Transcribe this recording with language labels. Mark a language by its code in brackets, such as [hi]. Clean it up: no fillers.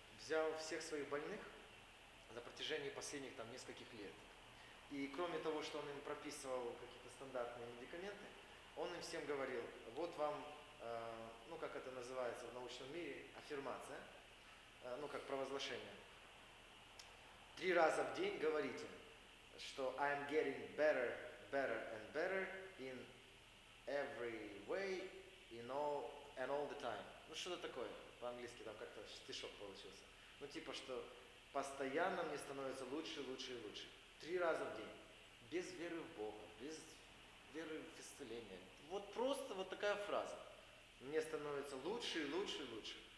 [ru] Взял всех своих больных на протяжении последних там нескольких лет. И кроме того, что он им прописывал какие-то стандартные медикаменты, он им всем говорил, вот вам, ну как это называется в научном мире, аффирмация, ну как провозглашение. Три раза в день говорите, что [en] I'm getting better, better and better in every way, in all, and all the time. [ru] Ну что-то такое, по-английски там как-то стишок получился. Ну типа, что постоянно мне становится лучше, лучше и лучше. Три раза в день. Без веры в Бога, без веры в исцеление. Вот просто вот такая фраза. Мне становится лучше и лучше и лучше.